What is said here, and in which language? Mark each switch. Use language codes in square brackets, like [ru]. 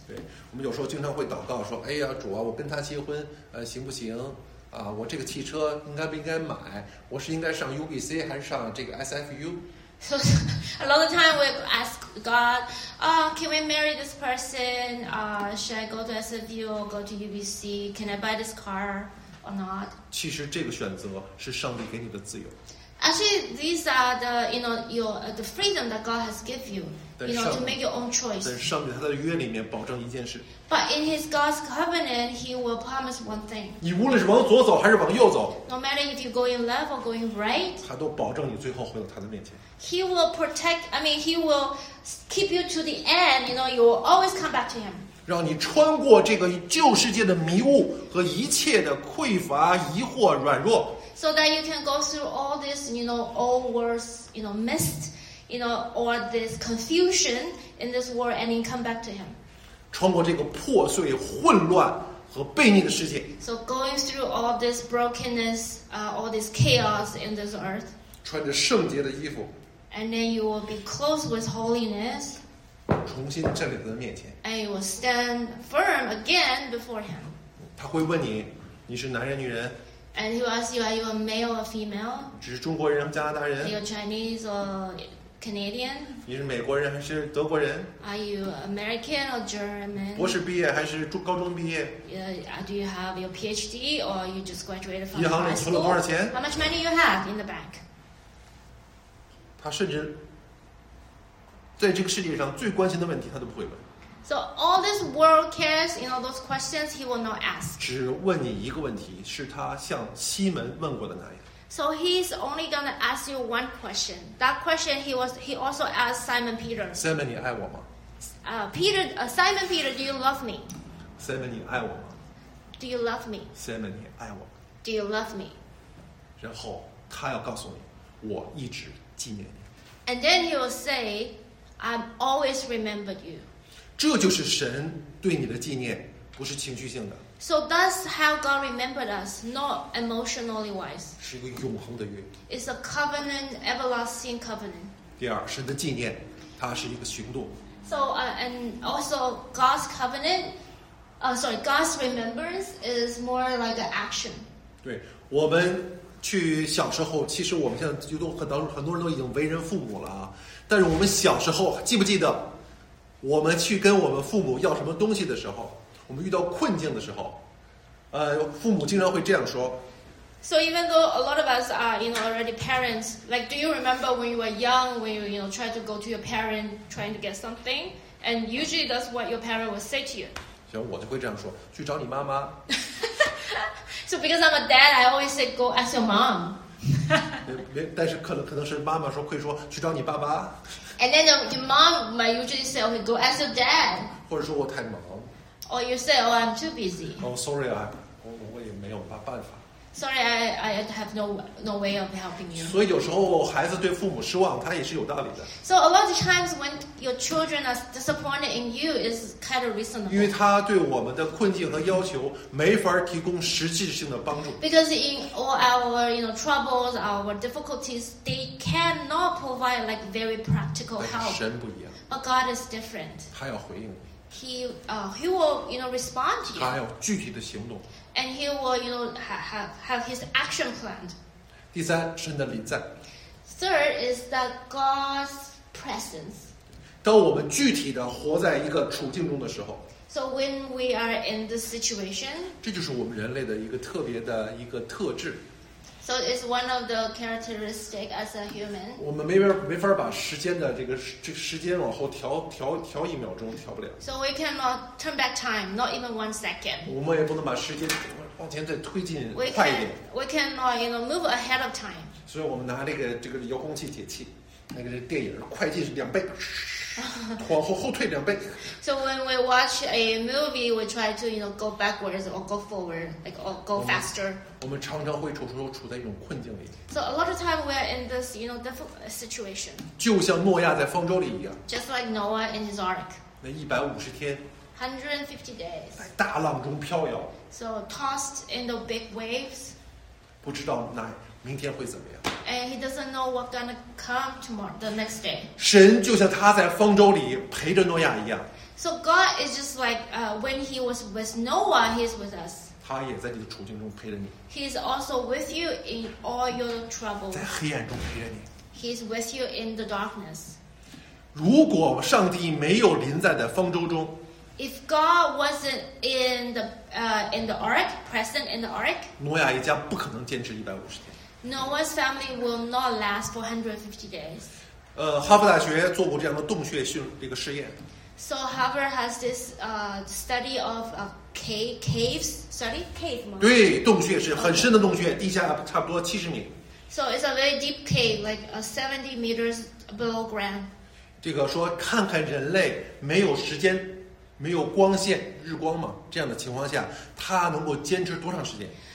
[zh] 对，我们有时候经常会祷告说：“哎呀，主啊，我跟他结婚，行不行？” 我这个汽车应该不应该买？我是应该上 UBC 还是上这个 SFU？ [en] So a lot of time we ask God, can we marry this person? Should I go to SFU or go to UBC? Can I buy this car or not? [zh] 其实这个选择是上帝给你的自由。 [en] Actually, these are the you know the freedom that God has given you, you know, to make your own choice. [zh] 但上帝他在约里面保证一件事。 [en] But in His God's covenant, He will promise one thing. [zh] 你无论是往左走还是往右走 [en] ，No matter if you going left or going right, [zh] 他都保证你最后回到他的面前。 [en] He will protect. I mean, He will keep you to the end. You know, you will always come back to Him. [zh] 让你穿过这个旧世界的迷雾和一切的匮乏、疑惑、软弱。 [en] So that you can go through all this, you know, old words, you know, mist, you know, all this confusion in this world, and then come back to Him. [zh] 穿过这个破碎、混乱和悖逆的世界。 [en] So going through all this brokenness, all this chaos in this earth. [zh] 穿着圣洁的衣服。 [en] And then you will be clothed with holiness. [zh] 重新站在他的面前。 [en] And you will stand firm again before Him. [zh] 他会问你，你是男人、女人？ [en] And he will ask you, are you a male or female? [zh] 只是中国人还是加拿大人？ [en] Are you Chinese or Canadian? [zh] 你是美国人还是德国人？ [en] Are you American or German? [zh] 博士毕业还是高中毕业？ [en] Do you have your PhD or you just graduated from high school? [zh] 银行里存了多少钱？ [en] How much money you have in the bank? [zh] 他甚至在这个世界上最关心的问题他都不会问。 [en] So all this world cares, you know, those questions he will not ask. [zh] 只问你一个问题，是他向西门问过的那样。 [en] So he's only going to ask you one question. That question he also asked Simon Peter. [zh] Simon, 你爱我吗？ [en] Simon Peter, do you love me? [zh] Simon, 你爱我吗？ [en] Do you love me? [zh] Simon, 你爱我吗？ [en] Do you love me? [zh] 然后他要告诉你，我一直纪念你。 [en] And then he will say, I've always remembered you. [zh] 这就是神对你的纪念，不是情绪性的。 [en] So that's how God remembered us, not emotionally wise. [zh] 是一个永恒的约。 [en] It's a covenant, everlasting covenant. [zh] 第二，神的纪念，它是一个行动。 [en] So and also God's covenant, God's remembrance is more like an action. [zh] 对，我们去小时候，其实我们现在就都很多人都已经为人父母了啊。但是我们小时候记不记得？我们去跟我们父母要什么东西的时候，我们遇到困境的时候，父母经常会这样说。 [en] So even though a lot of us are, you know, already parents, like, do you remember when you were young, when you, you know, tried to go to your parent, trying to get something, and usually that's what your parent would say to you. [zh] 行，我就会这样说，去找你妈妈。 [en] So because I'm a dad, I always say go ask your mom. [zh] 但是可能是妈妈说会说去找你爸爸。 [en] And then your mom might usually say, okay, go ask your dad. [zh] 或者说我太忙。 [en] Or you say, oh, I'm too busy. Oh, sorry, I [zh] 也没有办法。 [en] Sorry, I have no way of helping you. [zh] 所以有时候孩子对父母失望，他也是有道理的。 [en] So a lot of times when your children are disappointed in you, is kind of reasonable. [zh] 因为他对我们的困境和要求没法提供实际性的帮助。 [en] Because in all our troubles, our difficulties, they cannot provide like very practical help. [zh] 神不一样。 [en] But God is different. [zh] 他要回应。 [en] He will respond to you. [zh] 他要具体的行动。 [en] And he will, have his action plan. [zh] 第三，神的临在。 [en] Third is that God's presence. [zh] 当我们具体的活在一个处境中的时候。 [en] So when we are in this situation. [zh] 这就是我们人类的一个特别的一个特质。 [en] So it's one of the characteristics as a human. [zh] 我们没法把时间的这个时间往后调一秒钟，调不了。 [en] So we cannot turn back time, not even 1 second. [zh] 我们也不能把时间往前再推进快一点。 [en] We cannot, move ahead of time. [zh] 所以我们拿这个遥控器铁器，那个电影快进是2倍，往后退2倍。 [en] So when we watch a movie, we try to go backwards or go forward, or go faster. [zh] 我们常常会处在一种困境里。 [en] So a lot of time we are in this difficult situation. [zh] 就像诺亚在方舟里一样。 [en] Just like Noah in his ark. [zh] 那150天。 [en] 150 days. [zh] 在大浪中飘摇。 [en] So tossed in the big waves. [zh] 不知道哪。明天会怎么样？ [en] And he doesn't know what's gonna come tomorrow, the next day. [zh] 神就像他在方舟里陪着诺亚一样。 [en] So God is just like, when he was with Noah, he's with us. [zh] 他也在你的处境中陪着你。 [en] He's also with you in all your troubles. [zh] 在黑暗中陪着你。 [en] He's with you in the darkness. [zh] 如果上帝没有临在的方舟中。 [en] If God wasn't in the ark, present in the ark, [zh] 诺亚一家不可能坚持150天。 [en] Noah's family will not last for 150 days. [zh] 哈佛大学做过这样的洞穴训这个试验。 [en] So Harvard has this study of caves study cave [zh] 吗？对，洞穴是很深的洞穴，地下差不多70米。 [en] So it's a very deep cave, like 70 meters below ground. [zh] 这个说看看人类没有时间。没有光线日光嘛，这样的情况下他能够坚持多长时间